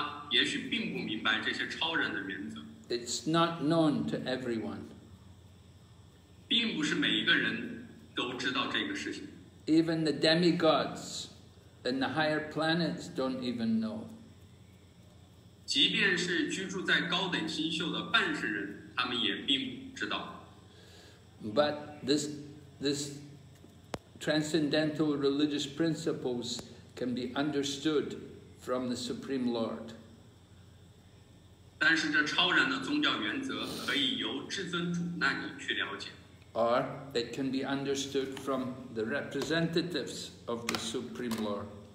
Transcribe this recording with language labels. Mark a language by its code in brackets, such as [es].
[zh] 因此，一个人或许他追随伟达经典，但是他也许并不明白这些超然的原则。 [en] It's not known to everyone. [zh] 并不是每一个人都知道这个事情。 [en] Even the demigods in the higher planets don't even know. [zh] 即便是居住在高等星宿的半神人，他们也并不知道。 [en] But this transcendental religious principles can be understood from the Supreme Lord. Or it can be understood from the representatives of the Supreme Lord.